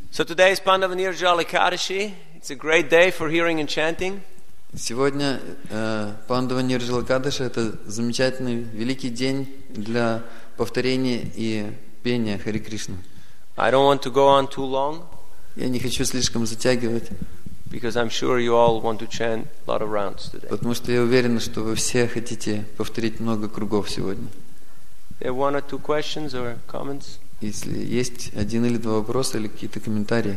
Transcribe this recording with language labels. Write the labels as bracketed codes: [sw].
[en] So today is Pandava Nirjala Ekadashi. It's a great day for hearing and chanting. [ru] Сегодня Пандава Нирджала Экадаши — это замечательный, великий день для повторения и пения Хари Кришны. [en] I don't want to go on too long. [ru] Я не хочу слишком затягивать. [en] Because I'm sure you all want to chant a lot of rounds today. [ru] Потому что я уверен, что вы все хотите повторить много кругов сегодня. [en] There are one or two questions or comments? [ru] Если есть один или два вопроса или какие-то комментарии.